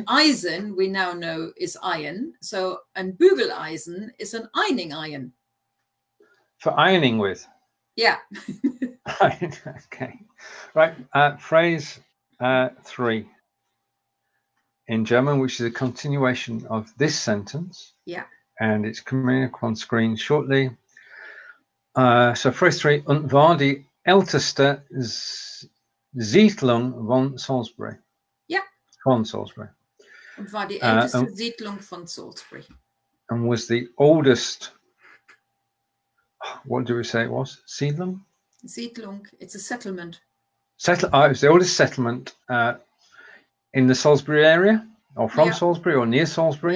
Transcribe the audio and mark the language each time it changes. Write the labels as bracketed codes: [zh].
[en] And Eisen, we now know, is iron. So, and Bügeleisen is an ironing iron. For ironing with? Yeah. Okay. Right, phrase three. In German, which is a continuation of this sentence. Yeah. And it's coming up on screen shortly. So phrase three, [de] und war die älteste Siedlung von Salisbury. [en] Yeah. Von Salisbury. [de] Und war die älteste Siedlung von Salisbury. [en] And was the oldest, what do we say it was? Siedlung? Siedlung, it's a settlement. It was the oldest settlement in the Salisbury area, or from Salisbury, or near Salisbury?